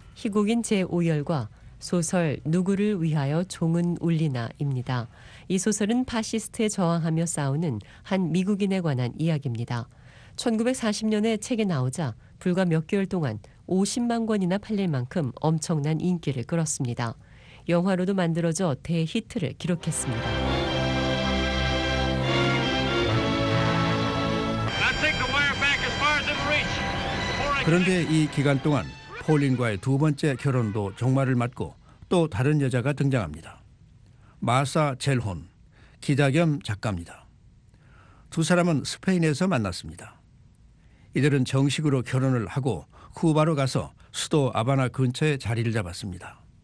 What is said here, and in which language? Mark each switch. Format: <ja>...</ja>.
<ko>희곡인 제5열과 소설 누구를 위하여 종은 울리나입니다. 이 소설은 파시스트에 저항하며 싸우는 한 미국인에 관한 이야기입니다. 1940년에 책이 나오자 불과 몇 개월 동안 50만 권이나 팔릴 만큼 엄청난 인기를 끌었습니다. 영화로도 만들어져 대히트를 기록했습니다.</ko> <en>I take the wire back as far as it'll reach.</en> <ko>그런데 이 기간 동안 폴린과의 두 번째 결혼도 종말을 맞고 또 다른 여자가 등장합니다. 마사 젤혼, 기자 겸 작가입니다. 두 사람은 스페인에서 만났습니다. 이들은 정식으로 결혼을 하고 쿠바로 가서 수도 아바나 근처에 자리를 잡았습니다.</ko>